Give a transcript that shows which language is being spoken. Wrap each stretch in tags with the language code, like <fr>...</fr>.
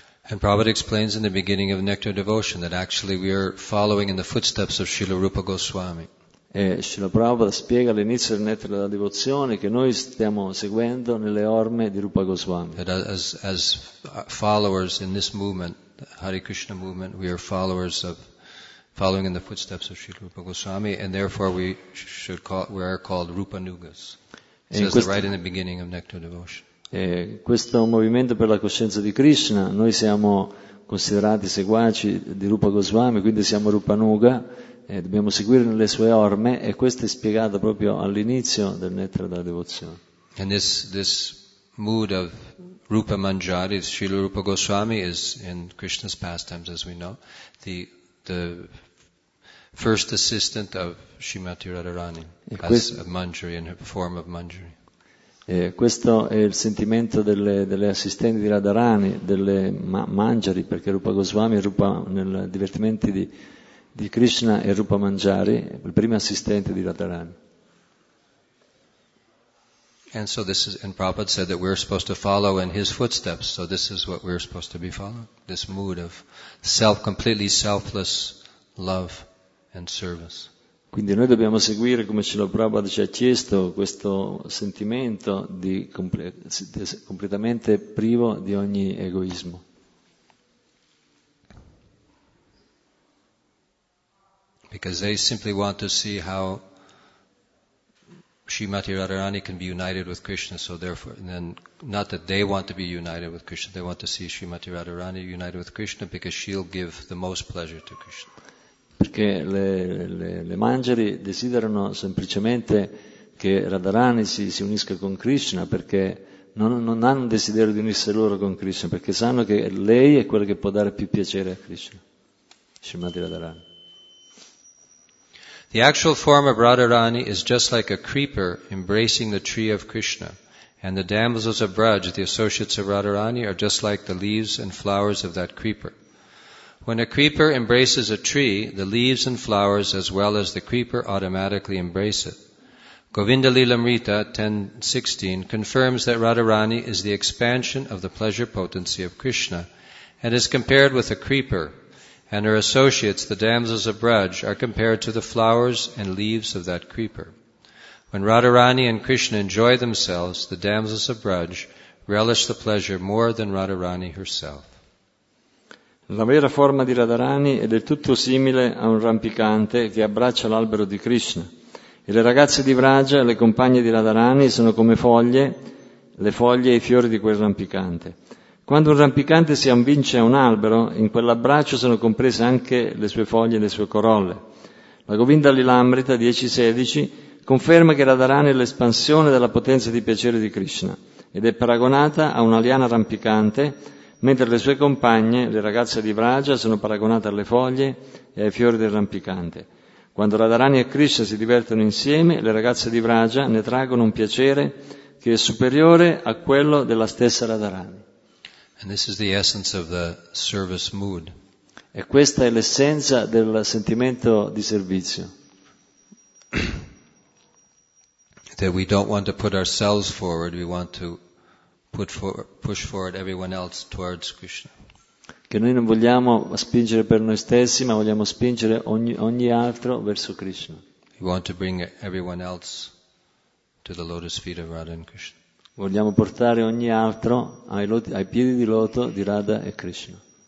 <en>And Prabhupada explains in the beginning of Nectar Devotion that actually we are following in the footsteps of Srila Rupa Goswami.</en> <it>E Srila Prabhupada spiega all'inizio del Nectar della Devozione che noi stiamo seguendo nelle orme di Rupa Goswami.</it> <en>That as followers in this movement, the Hare Krishna movement, we are followers of, following in the footsteps of Srila Rupa Goswami, and therefore we are called Rupanugas. It says right in the beginning of Nectar Devotion.</en> <it>Questo movimento per la coscienza di Krishna, noi siamo considerati seguaci di Rupa Goswami, quindi siamo Rupanuga, dobbiamo seguire nelle sue orme, e questo è spiegato proprio all'inizio del Nettara della Devozione.</it> <en>And this mood of Rupa Manjari, Srila Rupa Goswami, is in Krishna's pastimes, as we know, the first assistant of Srimati Radharani, as Manjari, in her form of Manjari.</en> <it>Questo è il sentimento delle assistenti di Radharani, delle Manjari, perché Rupa Goswami è Rupa, nel divertimento di Krishna è Rupa Manjari, il primo assistente di Radharani.</it> <en>And so this is, and Prabhupada said that we're supposed to follow in his footsteps, so this is what we're supposed to be following, this mood of self, completely selfless love and service.</en> <it>Quindi noi dobbiamo seguire, come Srila Prabhupada ci ha chiesto, questo sentimento di completamente privo di ogni egoismo.</it> <en>Because they simply want to see how Srimati Radharani can be united with Krishna, so therefore, and then, not that they want to be united with Krishna, they want to see Srimati Radharani united with Krishna because she'll give the most pleasure to Krishna.</en> <it>Perché le Manjari desiderano semplicemente che Radharani si unisca con Krishna, perché non hanno un desiderio di unirsi loro con Krishna, perché sanno che lei è quella che può dare più piacere a Krishna, Srimati Radharani.</it> <en>The actual form of Radharani is just like a creeper embracing the tree of Krishna, and the damsels of Braj, the associates of Radharani, are just like the leaves and flowers of that creeper. When a creeper embraces a tree, the leaves and flowers as well as the creeper automatically embrace it. Govinda Lilamrita 10.16 confirms that Radharani is the expansion of the pleasure potency of Krishna and is compared with a creeper, and her associates, the damsels of Braj, are compared to the flowers and leaves of that creeper. When Radharani and Krishna enjoy themselves, the damsels of Braj relish the pleasure more than Radharani herself.</en> <it>La vera forma di Radharani è del tutto simile a un rampicante che abbraccia l'albero di Krishna. E le ragazze di Vraja, le compagne di Radharani, sono come foglie, le foglie e i fiori di quel rampicante. Quando un rampicante si avvince a un albero, in quell'abbraccio sono comprese anche le sue foglie e le sue corolle. La Govinda Lilamrita 10.16 conferma che Radharani è l'espansione della potenza di piacere di Krishna ed è paragonata a una liana rampicante, mentre le sue compagne, le ragazze di Vraja, sono paragonate alle foglie e ai fiori del rampicante. Quando Radharani e Krishna si divertono insieme, le ragazze di Vraja ne traggono un piacere che è superiore a quello della stessa Radharani.</it> <en>And this is the essence of the service mood.</en> <it>E questa è l'essenza del sentimento di servizio.</it> <en>That we don't want to put ourselves forward, we want to push forward everyone else towards Krishna.</en> <it>Che noi non vogliamo spingere per noi stessi, ma vogliamo spingere ogni altro verso Krishna.</it> <en>We want to bring everyone else to the lotus feet of Radha and Krishna.</en> <it>Vogliamo portare ogni altro ai piedi di loto di Radha e Krishna.</it>